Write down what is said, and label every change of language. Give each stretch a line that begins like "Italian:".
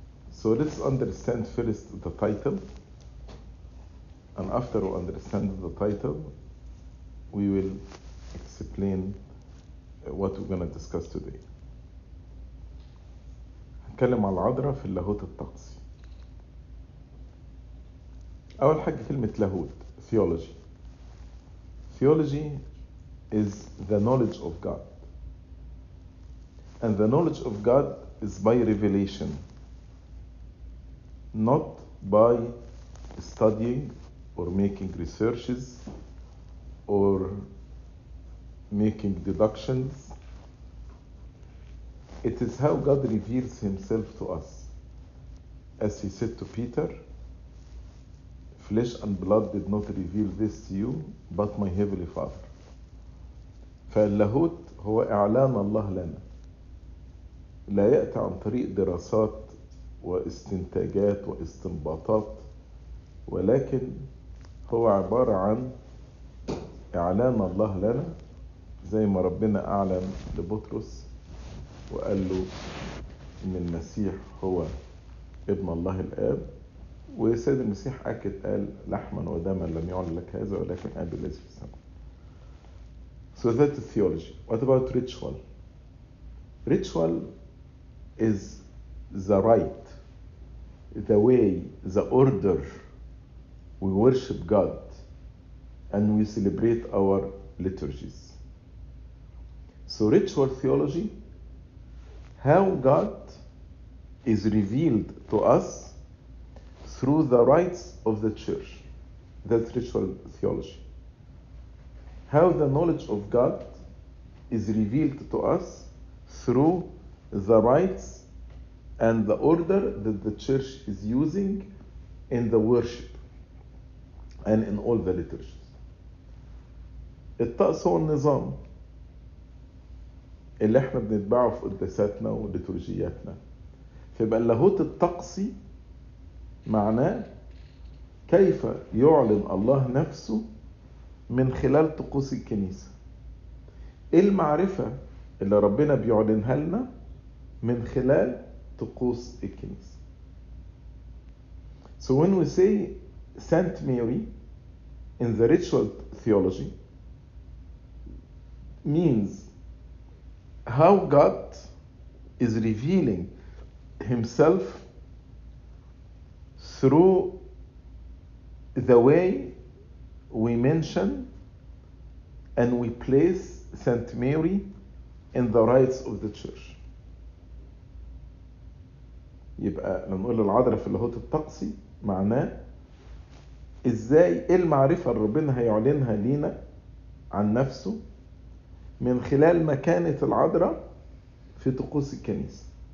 English: So let's understand first the title, and after we understand the title, we will explain what we're going to discuss today.
Arabic: هنتكلم على العذراء في اللاهوت الطقسي. أول حاجة كلمة لاهوت theology.
English: Theology is the knowledge of God. And the knowledge of God is by revelation, not by studying or making researches or making deductions. It is how God reveals himself to us. As he said to Peter, flesh and blood did not reveal this to you, but my heavenly Father.
Arabic: فاللاهوت هو إعلان الله لنا. لا يأتي عن طريق دراسات واستنتاجات واستنباطات، ولكن هو عبارة عن إعلان الله لنا، زي ما ربنا أعلن لبطرس وقال له إن المسيح هو ابن الله الآب، وسيد المسيح أكد قال لحما ودما لم يعلن لك هذا ولكن آب الذي في السماء.
English: So that's theology. What about ritual? Ritual is the right, the way, the order we worship God and we celebrate our liturgies. So ritual theology, how God is revealed to us through the rites of the church. That's ritual theology. How the knowledge of God is revealed to us through the rites and the order that the church is using in the worship and in all the liturgies.
Arabic: الطقس هو النظام اللي احنا بنتبعه في قداساتنا وليتورجياتنا. فيبقى اللاهوت الطقسي معناه كيف يعلن الله نفسه من خلال طقوس الكنيسة. ايه المعرفة اللي ربنا بيعلنها لنا من خلال طقوس الكنيسة.
English: So when we say Saint Mary in the ritual theology means how God is revealing himself through the way we mention and we place Saint Mary in the rites of the church.
Arabic: يبقى لنقول العذراء في اللاهوت الطقسي معناه ازاي ايه المعرفة اللي ربنا هيعلنها لينا عن نفسه من خلال مكانة العذراء في طقوس الكنيسة.